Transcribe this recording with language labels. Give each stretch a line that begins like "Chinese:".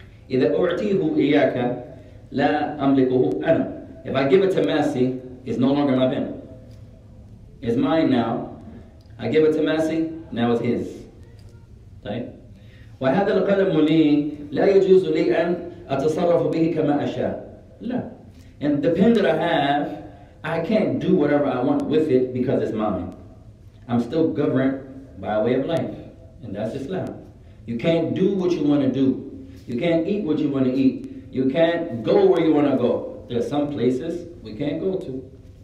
Arabic: إذا أعطيه إياك لا أملكه أنا.
English: If I give it to Massey, it's no longer my pen. It's mine now. I give it to Massey, now it's his.
Arabic: طيب. وهذا القلم لي لا يجوز لي أن أتصرف به كما أشاء. لا.
English: And the pen that I have, I can't do whatever I want with it because it's mine. I'm still governed by way of life. And that's Islam. You can't do what you want to do. You can't eat what you want to eat. You can't go where you want to go. There are some places we can't go to.